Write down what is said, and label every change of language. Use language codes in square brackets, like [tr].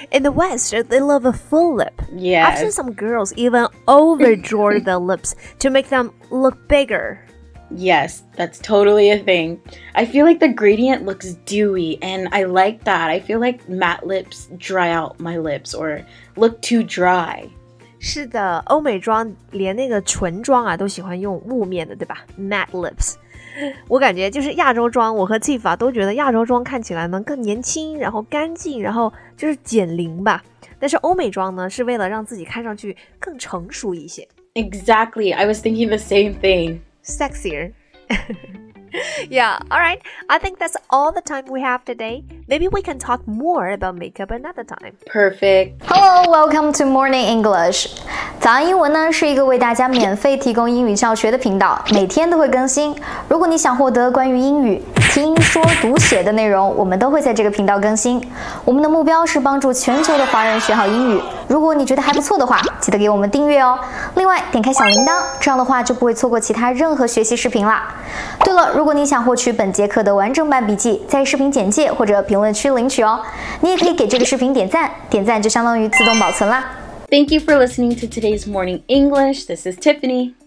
[en] In the West, they love a full lip. Yeah, I've seen some girls even overdraw their lips to make them look bigger Yes, that's totally a thing. I feel like the gradient looks dewy, and I like that. I feel like matte lips dry out my lips or look too dry. [zh] 是的，欧美妆连那个唇妆啊都喜欢用雾面的，对吧？ [en] Matte lips. [zh] 我感觉就是亚洲妆，我和 Tiff 啊都觉得亚洲妆看起来能更年轻，然后干净，然后就是减龄吧。但是欧美妆呢，是为了让自己看上去更成熟一些。 [en] Exactly, I was thinking the same thing. Sexier. Yeah, all right. I think that's all the time we have today. Maybe we can talk more about makeup another time. Perfect. Hello, welcome to Morning English. [zh] 早安英文呢是一个为大家免费提供英语教学的频道，每天都会更新。如果你想获得关于英语听说读写的内容，我们都会在这个频道更新。我们的目标是帮助全球的华人学好英语。如果你觉得还不错的话，记得给我们订阅哦。另外，点开小铃铛，这样的话就不会错过其他任何学习视频啦。对了，如果你想获取本节课的完整版笔记，在视频简介或者评论区领取哦。你也可以给这个视频点赞，点赞就相当于自动保存啦。 [en] Thank you for listening to today's Morning English. This is Tiffany.